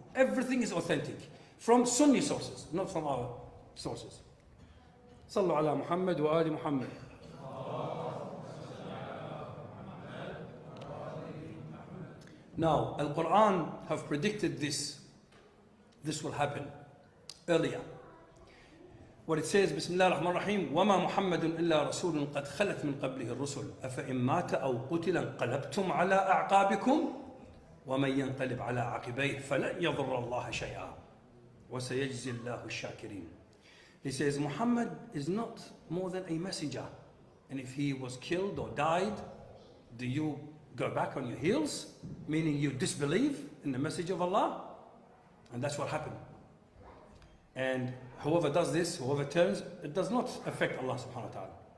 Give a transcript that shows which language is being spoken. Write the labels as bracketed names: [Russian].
[English] Everything is authentic. From Sunni sources, not from our sources. [Arabic] Sallu ala Muhammad wa ali Muhammad. [English] Now, Al-Quran have predicted this. This will happen earlier. What it says, [Arabic] Bismillah ar-Rahman ar-Rahim, وَمَا مُحَمَّدٌ إِلَّا رَسُولٌ قَدْ خَلَتْ مِنْ قَبْلِهِ الرُّسُلُ أَفَإِنْ مَاتَ أَوْ قُتِلًا قَلَبْتُمْ عَلَىٰ أَعْقَابِكُمْ وَمَنْ يَنْقَلِبْ عَلَىٰ عَقِبَيْهِ فَلَنْ يَضُرَّ اللَّهَ شَيْئًا وَسَيَجْزِي اللَّهُ الشَّاكِرِينَ. [English] He says, Muhammad is not more than a messenger. And if he was killed or died, do you go back on your heels? Meaning you disbelieve in the message of Allah? And that's what happened. And whoever does this, whoever turns, it does not affect Allah subhanahu wa ta'ala.